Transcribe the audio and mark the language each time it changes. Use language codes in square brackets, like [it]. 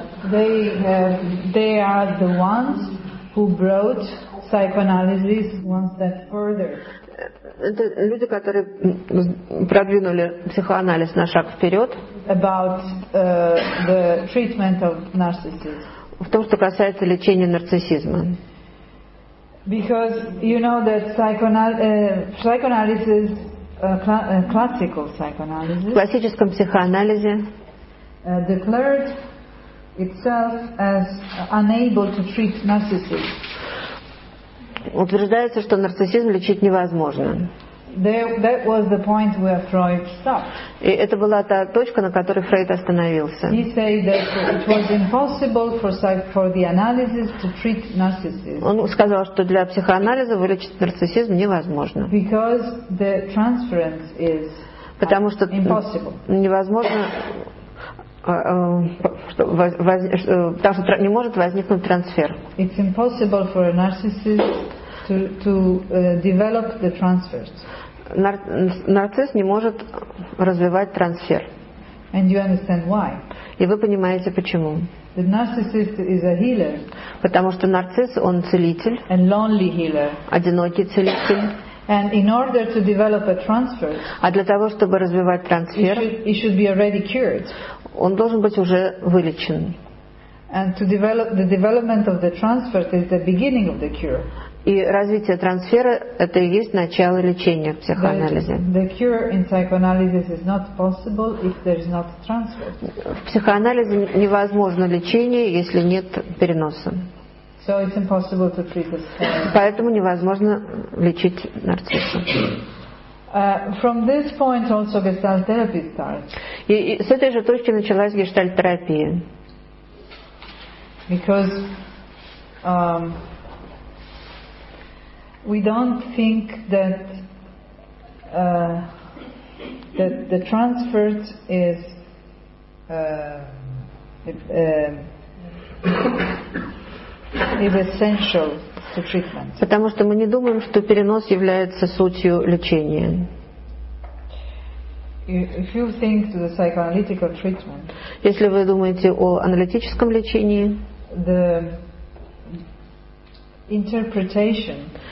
[en] They are the ones who brought psychoanalysis one step further. [ru] Это люди, которые продвинули психоанализ на шаг вперед. [en] About the treatment of narcissism. [ru] В том, что касается лечения нарциссизма. [en] Because you know that psychoanalysis, classical psychoanalysis. [ru] В классическом психоанализе. [en] Declared itself as unable to treat narcissism. [ru] Утверждается, что нарциссизм лечить невозможно. [en] That was the point where Freud stopped. [ru] И это была та точка, на которой Фрейд остановился. [en] He said that it was impossible for the analysis to treat narcissism. [ru] Он сказал, что для психоанализа вылечить нарциссизм невозможно. [en] Because the transference is impossible. [ru] Потому что невозможно, потому что не может возникнуть трансфер. [en] It's impossible for a narcissist to develop the transfers. [ru] Нарцисс не может развивать трансфер. [en] And you understand why? [ru] И вы понимаете почему? [en] The narcissist is a healer. [ru] Потому что нарцисс он целитель. [en] And lonely healer. [ru] Одинокий целитель. [en] And in order to develop a transfer, [ru] а для того, чтобы развивать трансфер, [en] he should be already cured. [ru] Он должен быть уже вылечен. [en] And to develop the development of the transfer is the beginning of the cure. [ru] И развитие трансфера – это и есть начало лечения в психоанализе. [en] The cure in psychoanalysis is not possible if there is not transfer. [ru] В психоанализе невозможно лечение, если нет переноса. [en] So it's impossible to treat this. [ru] Поэтому невозможно лечить нарцисса. [en] From this point also gestalt therapy starts. [ru] И с этой же точки началась гештальт-терапия. [en] Because we don't think that that the transfer is essential to treatment. [ru] Потому что мы не думаем, что перенос является сутью лечения. [en] If you think to the psychoanalytical treatment, [ru] если вы думаете о аналитическом лечении, [en] the interpretation,